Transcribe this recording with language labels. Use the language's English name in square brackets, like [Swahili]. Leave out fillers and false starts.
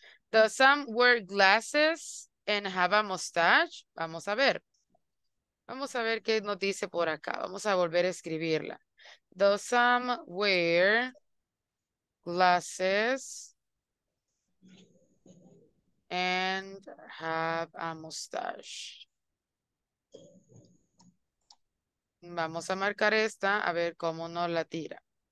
[English] Does Sam wear glasses and have a mustache? [Spanish] Vamos a ver. Vamos a ver qué nos dice por acá. Vamos a volver a escribirla. [English] Does Sam wear glasses and have a mustache? [Spanish] Vamos a marcar esta a ver cómo nos la tira.